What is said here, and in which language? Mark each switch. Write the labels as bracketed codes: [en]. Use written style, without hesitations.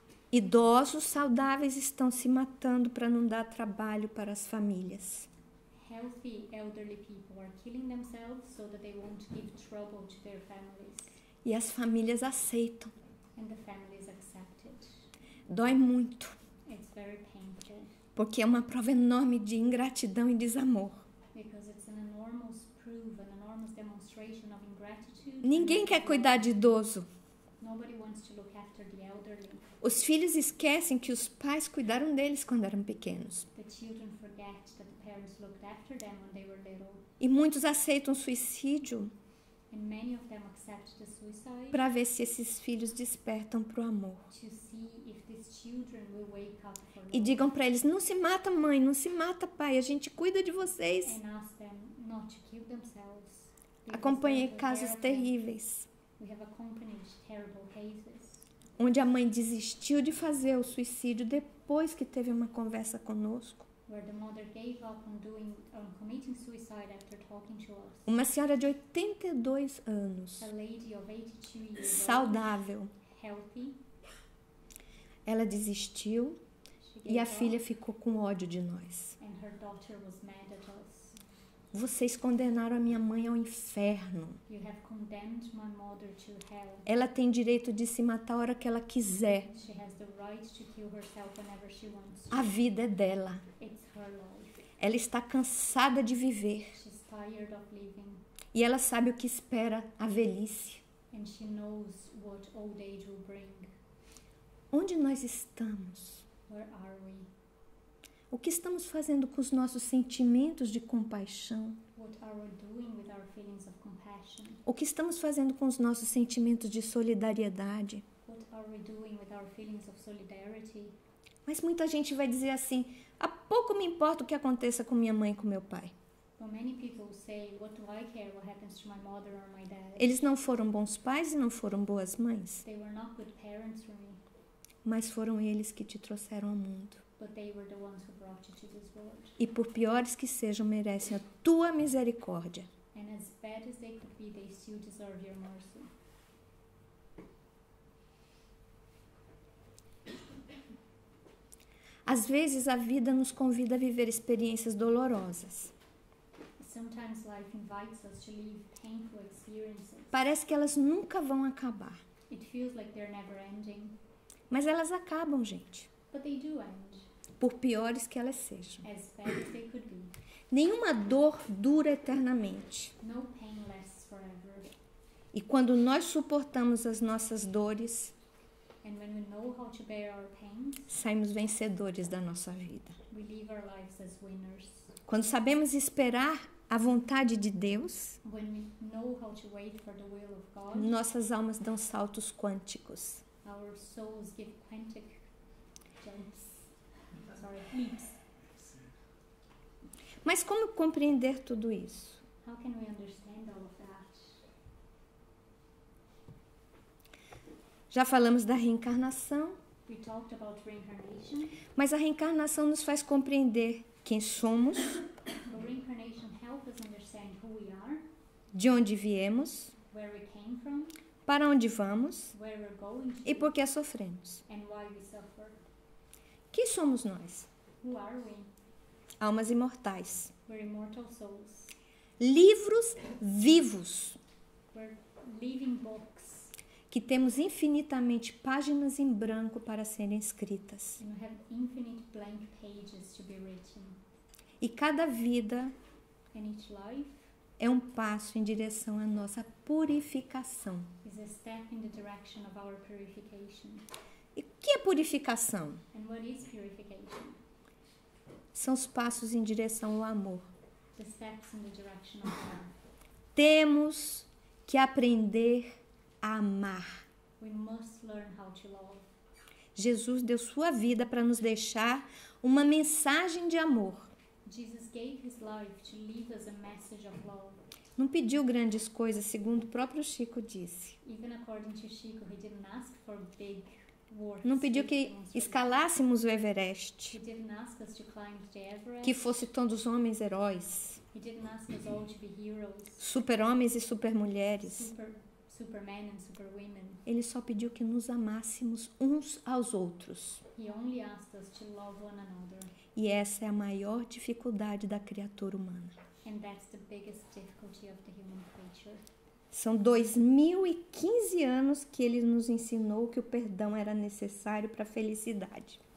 [pt] Idosos saudáveis estão se matando para não dar trabalho para as famílias. [en] Healthy elderly people are killing themselves so that they won't give trouble to their families. [pt] E as famílias aceitam. [en] And the families accept it. [pt] Dói muito. [en] It's very painful. [pt] Porque é uma prova enorme de ingratidão e desamor. [en] Because it's an enormous proof, an enormous demonstration of ingratitude. [pt] Ninguém quer cuidar de idoso. [en] Nobody wants to look after the elderly. [pt] Os filhos esquecem que os pais cuidaram deles quando eram pequenos. [en] The children forget that the parents looked after them when they were little. [pt] E muitos aceitam suicídio. [en] And many of them accept the suicide. [pt] Para ver se esses filhos despertam para o amor. [en] To see if these children will wake up for love. [pt] E digam para eles, não se mata mãe, não se mata pai, a gente cuida de vocês. [en] And ask them not to kill themselves. [pt] Acompanhei casos terríveis. [en] We have accompanied terrible cases. [pt] Onde a mãe desistiu de fazer o suicídio depois que teve uma conversa conosco. [en] Where the mother gave up on committing suicide after talking to us. [pt] Uma senhora de 82 anos. [en] A lady of 82 years. [pt] Saudável. [en] Healthy. [pt] Ela desistiu. [en] She [pt] e a filha ficou com ódio de nós. [en] And her daughter was mad at us. [pt] Vocês condenaram a minha mãe ao inferno. [en] You have condemned my mother to hell. [pt] Ela tem direito de se matar a hora que ela quiser. [en] She has the right to kill herself whenever she wants. [pt] A vida é dela. [en] It's her life. [pt] Ela está cansada de viver. [en] She's tired of living. [pt] E ela sabe o que espera a velhice. [en] And she knows what old age will bring. [pt] Onde nós estamos? [en] Where are we? [pt] O que estamos fazendo com os nossos sentimentos de compaixão? [en] What are we doing with our feelings of compassion? [pt] O que estamos fazendo com os nossos sentimentos de solidariedade? [en] What are we doing with our feelings of solidarity? [pt] Mas muita gente vai dizer assim: a pouco me importa o que aconteça com minha mãe e com meu pai. [en] Well, many people say, what do I care what happens to my mother or my dad? [pt] Eles não foram bons pais e não foram boas mães. [en] They were not good parents for me. [pt] Mas foram eles que te trouxeram ao mundo. [en] But they were the ones who brought you to this world. [pt] E por piores que sejam, merecem a tua misericórdia. [en] And as bad as they could be, they still deserve your mercy. [pt] Às vezes a vida nos convida a viver experiências dolorosas. [en] Sometimes life invites us to live painful experiences. [pt] Parece que elas nunca vão acabar. [en] It feels like they're never ending. [pt] Mas elas acabam, gente. [en] But they do end. [pt] Por piores que elas sejam. [en] As bad as they could be. [pt] Nenhuma dor dura eternamente. [en] No pain lasts forever. [pt] E quando nós suportamos as nossas dores, [en] and when we know how to bear our pains, [pt] saímos vencedores da nossa vida. [en] We live our lives as winners. [pt] Quando sabemos esperar a vontade de Deus, [en] when we know how to wait for the will of God, [pt] nossas almas dão saltos quânticos. [en] Our souls give quantic jumps. Sorry, leaps. [pt] Mas como compreender tudo isso? [en] How can we understand all of that? [pt] Já falamos da reencarnação. [en] We talked about reincarnation. [pt] Mas a reencarnação nos faz compreender quem somos. [en] The reincarnation helps us understand who we are. [pt] De onde viemos. [en] Where we came from. [pt] Para onde vamos. [en] Where we're going to. [pt] E por que sofremos. [en] And why we suffer. [pt] Quem somos nós? [en] Who are we? [pt] Almas imortais. [en] We're immortal souls. [pt] Livros vivos. [en] We're living books. [pt] Que temos infinitamente páginas em branco para serem escritas. [en] And we have infinite blank pages to be written. [pt] E cada vida, [en] and each life, [pt] é um passo em direção à nossa purificação. [en] Is a step in the direction of our purification. [pt] E o que é purificação? [en] And what is purification? [pt] São os passos em direção ao amor. [en] The steps in the direction of love. [pt] Temos que aprender amar. [en] We must learn how to love. [pt] Jesus deu sua vida para nos deixar uma mensagem de amor. [en] Jesus gave his life to leave us a message of love. [pt] Não pediu grandes coisas, segundo o próprio Chico disse. [en] Even according to Chico, he didn't ask for big works. [pt] Não pediu que escalássemos o Everest. [en] He didn't ask us to climb the Everest. [pt] Que fosse todos homens heróis. [en] He didn't ask us all to be heroes. [pt] Super-homens e super-mulheres. [en] Superman and superwomen. [pt] Ele só pediu que nos amássemos uns aos outros. [en] He only asked us to love one another. [pt] E essa é a maior dificuldade da criatura humana. [en] And that's the biggest difficulty of the human creature. [pt] São 2015 anos que ele nos ensinou que o perdão era necessário para a felicidade.